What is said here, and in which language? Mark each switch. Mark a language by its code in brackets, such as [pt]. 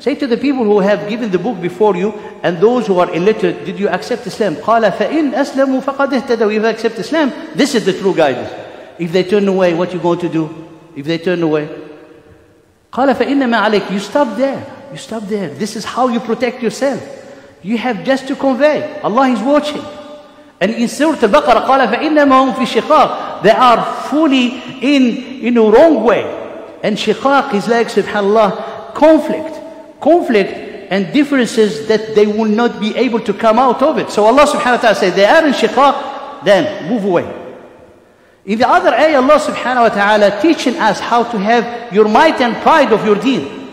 [en] Say to the people who have given the book before you and those who are illiterate, did you accept Islam? [ar] قَالَ فَإِنْ أَسْلَمُوا فَقَدْ اهْتَدَوْا. [en] If you accept Islam, this is the true guidance. If they turn away, what you going to do? If they turn away? [ar] قَالَ فَإِنَّمَا عَلَيْكَ. [en] You stop there. You stop there. This is how you protect yourself. You have just to convey. Allah is watching. And in Surah Al-Baqarah, [ar] قَالَ فَإِنَّمَا هُمْ فِي شِقَاقِ. [en] They are fully in a wrong way. And shiqaq is like, subhanAllah, conflict. Conflict and differences that they will not be able to come out of it. So Allah subhanahu wa ta'ala said, they are in shiqaq, then move away. In the other ayah, Allah subhanahu wa ta'ala teaching us how to have your might and pride of your deen.